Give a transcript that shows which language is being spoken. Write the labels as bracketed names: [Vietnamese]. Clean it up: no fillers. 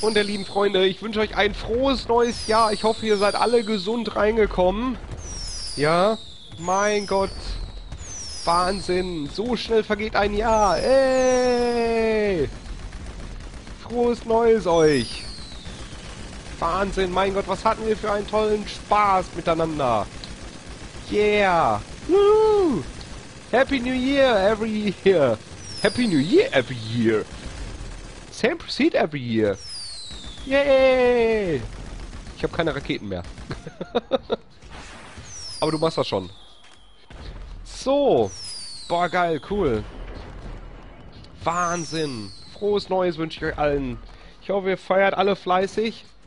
[German] Und der lieben Freunde, ich wünsche euch ein frohes neues Jahr. Ich hoffe, ihr seid alle gesund reingekommen. Ja? Mein Gott. Wahnsinn. So schnell vergeht ein Jahr. Ey! Frohes neues euch. Wahnsinn. Mein Gott, was hatten wir für einen tollen Spaß miteinander. [English] Yeah! Woo! Happy New Year every year! Happy New Year every year! Same proceed every year! Yay! [German] Ich habe keine Raketen mehr. Aber du machst das schon. So! Boah, geil, cool! Wahnsinn! Frohes Neues wünsche ich euch allen! Ich hoffe, ihr feiert alle fleißig!